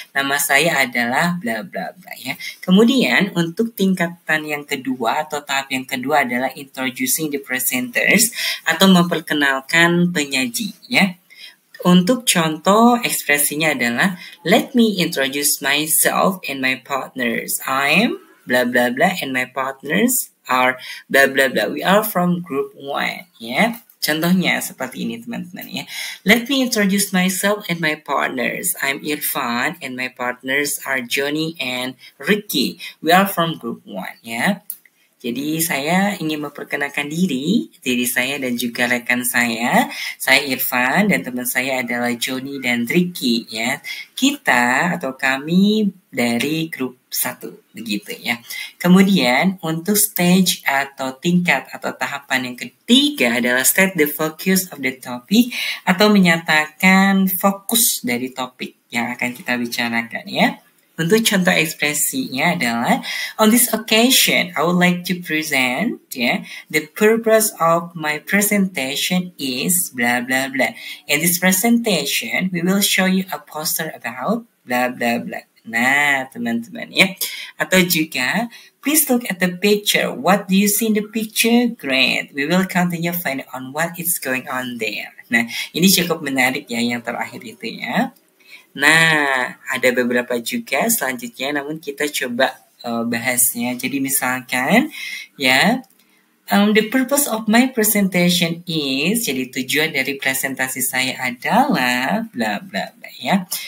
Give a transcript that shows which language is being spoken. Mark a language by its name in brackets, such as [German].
[Indonesian] Nama saya adalah bla bla bla, ya. Kemudian untuk tingkatan yang kedua atau tahap yang kedua adalah [English] introducing the presenters [Indonesian] atau memperkenalkan penyaji, ya. Untuk contoh ekspresinya adalah [English] let me introduce myself and my partners. I'm blah blah blah and my partners are blah blah blah. We are from group one. Ya. [Indonesian] Contohnya seperti ini teman-teman ya. [English] Let me introduce myself and my partners. I'm Irfan and my partners are Johnny and Ricky. We are from group one. Ya. [Indonesian] Jadi saya ingin memperkenalkan diri saya dan juga rekan saya Irfan dan teman saya adalah Johnny dan Ricky ya. Kita atau kami dari grup 1 begitu ya. Kemudian untuk stage atau tingkat atau tahapan yang ketiga adalah [English] state the focus of the topic [Indonesian] atau menyatakan fokus dari topik yang akan kita bicarakan ya. Untuk contoh ekspresinya adalah [English] on this occasion I would like to present yeah, the purpose of my presentation is blah blah blah. In this presentation we will show you a poster about blah blah blah. [Indonesian] Nah, teman-teman ya. Atau juga [English] please look at the picture. What do you see in the picture? Great. We will continue find on what is going on there. [Indonesian] Nah, ini cukup menarik ya yang terakhir itu ya. Nah, ada beberapa juga selanjutnya, namun kita coba bahasnya. Jadi misalkan, ya, [English] the purpose of my presentation is, [Indonesian] jadi tujuan dari presentasi saya adalah, bla bla bla, ya.